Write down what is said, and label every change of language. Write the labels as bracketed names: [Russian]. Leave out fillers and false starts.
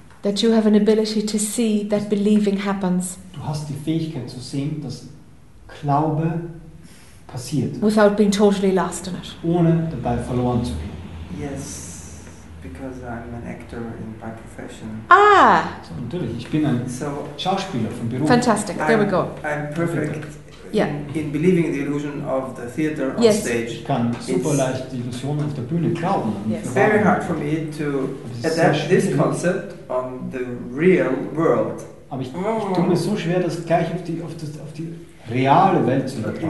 [English] that you have an ability to see that believing happens. [German] Du hast die Fähigkeit zu sehen, dass Glaube passiert. [English] Without being totally lost in it. [German] Ohne dabei verloren zu gehen. [English] Yes, because I'm an actor in my profession. Ah! [German] So, natürlich, ich bin ein Schauspieler vom Beruf. [English] Fantastic, there we go. I'm perfect. Yeah. In believing the illusion of the theater on yes. stage, [German] ich kann super leicht die Illusion auf der Bühne glauben. [English] Yes. Very hard for me to adapt this concept on the real world. [German] Aber ich tue mir so schwer, das gleich auf die reale Welt zu übertragen.